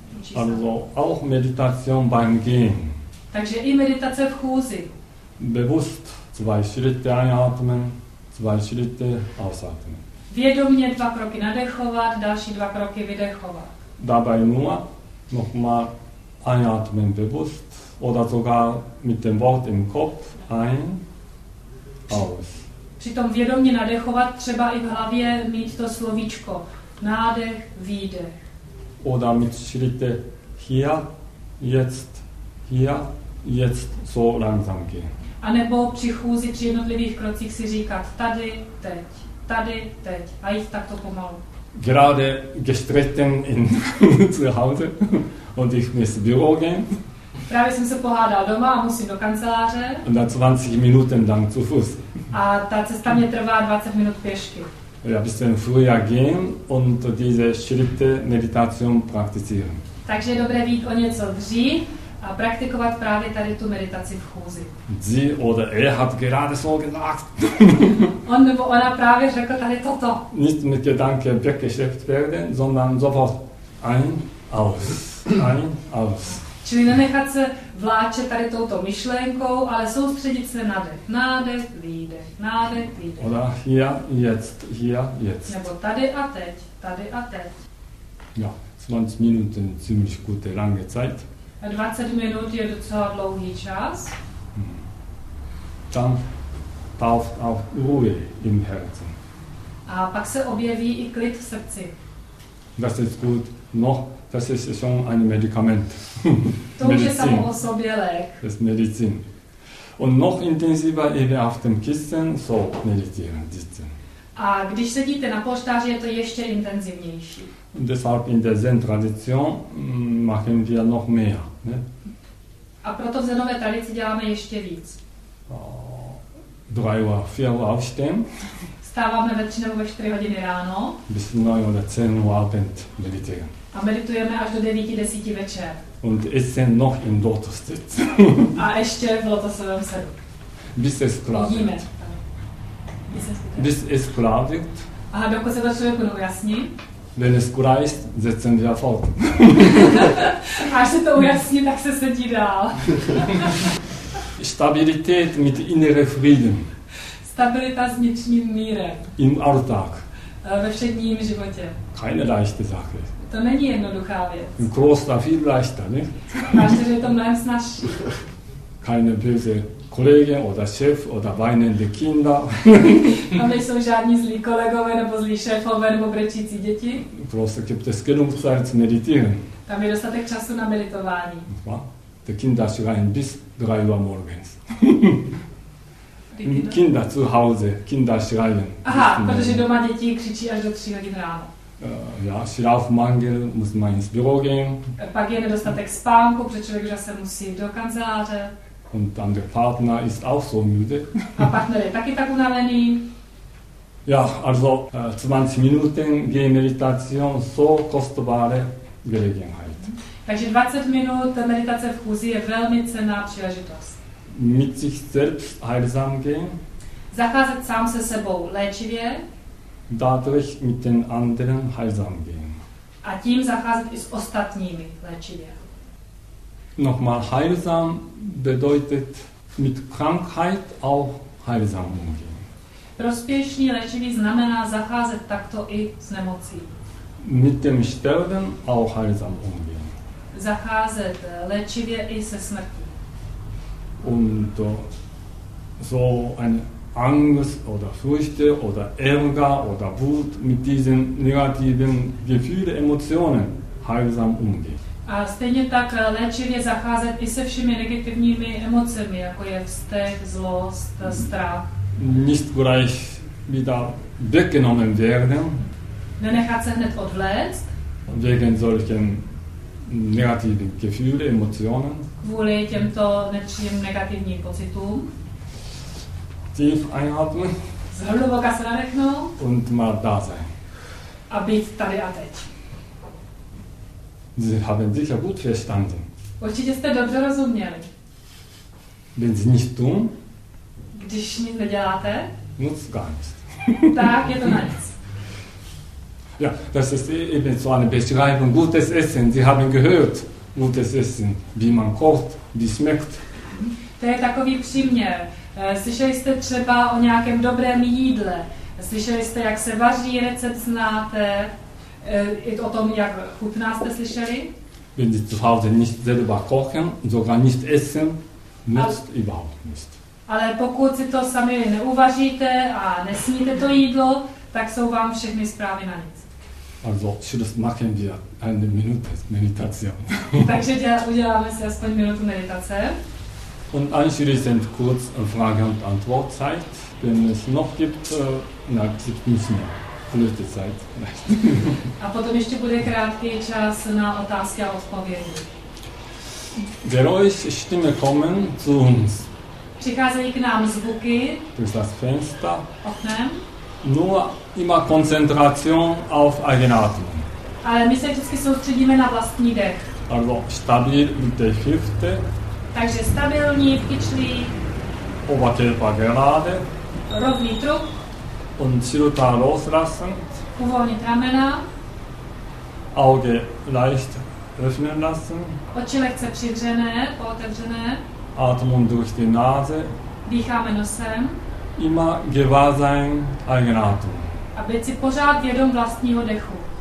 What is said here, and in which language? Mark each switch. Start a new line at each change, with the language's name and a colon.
Czech: učí se.
German: Also auch Meditation beim Gehen.
Czech: Takže i meditace v chůzi.
German: bewusst zwei Schritte einatmen, zwei Schritte ausatmen.
Czech: Vědomě dva kroky nadechovat, další dva kroky vydechovat.
German: Dabei nur nochmal einatmen bewusst oder sogar mit dem Wort im Kopf ein, aus.
Czech: Přitom vědomě nadechovat, třeba i v hlavě mít to slovíčko nádech, výdech.
German: Oder mit Schritte hier, jetzt, hier, jetzt, so langsam gehen.
Czech: A nebo při chůzi při jednotlivých krocích si říkat tady, teď a jít takto pomalu.
German: Gerade gestritten in zu Hause und ich muss Büro gehen.
Czech: Právě jsem se pohádal doma a musím do kanceláře.
German: Und dann 20 Minuten lang zu Fuß.
Czech: A ta cesta mě trvá 20 minut pěšky.
German: Ja, bisschen früher gehen und diese Schritte Meditation praktizieren.
Czech: Takže je dobré být o něco dřív a praktikovat právě tady tu meditaci v chůzi.
German: Sie oder er hat gerade so gesagt.
Czech: On nebo ona právě řekl tady toto.
German: Nicht mit Gedanken weggeschleppt werden, sondern sofort ein, aus, ein, aus.
Czech: Čili nenechat se vláčet tady touto myšlenkou, ale soustředit se na dech. Nádech, výdech, nádech, výdech.
German: Oder hier, jetzt, hier, jetzt.
Czech: Nebo tady a teď, tady a teď.
German: Ja, 20 Minuten, ziemlich gute, lange Zeit.
Czech: 20 minut je docela dlouhý čas.
German: Dann taucht auch Ruhe im Herzen.
Czech: A pak se objeví i klid v srdci.
German: Das ist gut, noch. Das ist schon ein Medikament.
Czech: To už je samo o sobě lék.
German: Das ist Medizin. Und noch intensiver eben auf dem Kissen so meditieren, sitzen.
Czech: A když sedíte na polštáři, je to ještě intenzivnější.
German: Und deshalb in der Zen-Tradition machen wir noch mehr. Ne?
Czech: A proto v zenové tradici děláme ještě víc.
German: 3 Uhr, 4 Uhr aufstehen.
Czech: Stáváme ve 3 nebo ve 4 hodiny ráno.
German: Bis 9 oder 10 Uhr abend meditieren.
Czech: A meditujeme až do 9:10 večer.
German: Und essen noch im Lotus sitz.
Czech: A ještě v lotosovém sedu.
German: Bis es klar wird. Bis es klar wird.
Czech: A dokud se to člověku ujasní.
German: Wenn es klar ist, setzen wir fort.
Czech: Až se to ujasní, tak se sedí dál.
German: Stabilität mit innerem Frieden.
Czech: Stabilita s vnitřním mírem.
German: Im Alltag.
Czech: Ve všedním životě.
German: Keine leichte Sache.
Czech: To není jednoduchá věc.
German: Im Kloster viel leichter, ne?
Czech: Máte, že je to mnohem snažší.
German: Keine böse Kollegen oder Chef oder weinende Kinder.
Czech: Tam nejsou žádní zlí kolegové nebo zlí šéfové nebo brečící děti.
German: Kloster gibt es genug Zeit zu meditieren.
Czech: Tam je dostatek času na meditování.
German: Die Kinder schreien bis 3 Uhr morgens. Kinder zu Hause, Kinder schreien.
Czech: Aha, protože doma děti křičí až do 3 hodin ráno.
German: Ja, Schlafmangel, muss man ins Büro gehen.
Czech: Pak je nedostatek spánku, protože člověk zase musí do kanceláře.
German: Und dann der Partner ist auch so müde.
Czech: A partner je taky tak unavený.
German: Ja, also 20 Minuten gehen Meditation, so kostbare Gelegenheit.
Czech: Takže 20 minut meditace v chůzi je velmi cenná příležitost.
German: Mit sich selbst heilsam gehen.
Czech: Zacházet sám se sebou léčivě.
German: Dadurch mit den anderen heilsam gehen.
Czech: A tím zacházet i s ostatními léčivě.
German: Nochmal heilsam bedeutet mit Krankheit auch heilsam umgehen.
Czech: Prospěšný léčivý znamená zacházet takto i s nemocí.
German: Mit dem Sterben auch heilsam umgehen.
Czech: Zacházet léčivě i se smrtí.
German: Und so eine Angst oder Furchte oder Ärger oder Wut mit diesen negativen Gefühlen, Emotionen heilsam umgehen.
Czech: A stejně tak léčivě zacházet i se všemi negativními emocemi, jako je vztek, zlost, strach.
German: Nicht gleich wieder weggenommen werden.
Czech: Nenechat se hned odvléct.
German: Wegen solchen negativen Gefühlen, Emotionen.
Czech: Kvůli těmto nepříjemným negativním pocitům.
German: Tief einatmen.
Czech: Zhluboka se nadechnout.
German: Und mal da sein.
Czech: A být tady a teď.
German: Sie haben sicher gut verstanden.
Czech: Určitě jste dobře rozuměli.
German: Wenn Sie nicht tun,
Czech: když nic neděláte,
German: nutzt gar nichts.
Czech: Tak je to na nic.
German: Ja, das ist eben so eine Beschreibung. Gutes Essen, Sie haben gehört, gutes Essen, wie man kocht, wie schmeckt.
Czech: To je takový příměr. Slyšeli jste třeba o nějakém dobrém jídle, slyšeli jste, jak se vaří, recept znáte, i o tom, jak chutná, jste slyšeli?
German: Wenn Sie zu Hause nicht selber kochen, sogar nicht essen, nützt überhaupt nicht.
Czech: Ale pokud si to sami neuvaříte a nesníte to jídlo, tak jsou vám všechny zprávy na nic.
German: Also, schluss machen wir eine Minute Meditation.
Czech: Takže uděláme si aspoň minutu meditace.
German: Und anschließend kurz Frage- und Antwortzeit, wenn es noch gibt, na, gibt es nicht mehr. Flöte Zeit.
Czech: A potom ještě bude krátký čas na otázky a odpovědi.
German: Geräusche, Stimme kommen zu uns.
Czech: Přicházejí k nám zvuky.
German: Durch das Fenster.
Czech: Oknem.
German: Nur immer Konzentration auf eigene Atmung.
Czech: Ale my se vždycky soustředíme na vlastní dech.
German: Also stabil mit der Hüfte.
Czech: Takže stabilní v kyčlí.
German: Oberkörper gerade.
Czech: Rovný trup.
German: Und Schulter loslassen.
Czech: Uvolnit ramena.
German: Auge leicht öffnen lassen.
Czech: Oči lehce přivřené, pootevřené.
German: Atmung durch die Nase.
Czech: Dýcháme nosem.
German: Immer gewahr sein eigene Atmung.
Czech: A být si pořád vědom vlastního dechu.